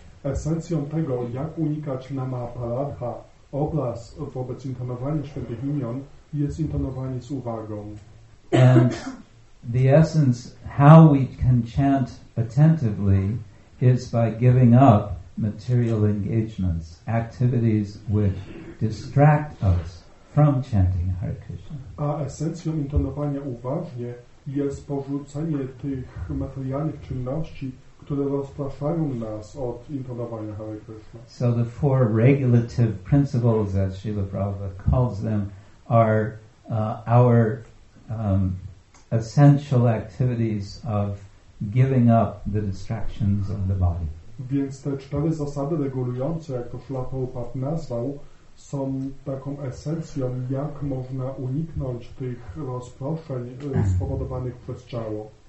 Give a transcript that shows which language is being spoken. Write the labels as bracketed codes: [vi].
[pl] Esencją tego, jak unikać nama aparadha, oblas wobec intonowania świętych imion, jest intonowanie z uwagą. [en] And the essence, how we can chant attentively, is by giving up material engagements, activities which distract us from chanting Hare Krishna. [pl] A esencją intonowania uważnie jest porzucenie tych materialnych czynności, które rozpraszają nas od intonowania Hare Krishna. [en] So the four regulative principles, as Srila Prabhupada calls them, are our essential activities of giving up the distractions of the body. [pl] Więc te cztery zasady regulujące, jak to Srila Prabhupada nazwał, są taką esencją, jak można uniknąć tych rozproszeń spowodowanych przez ciało.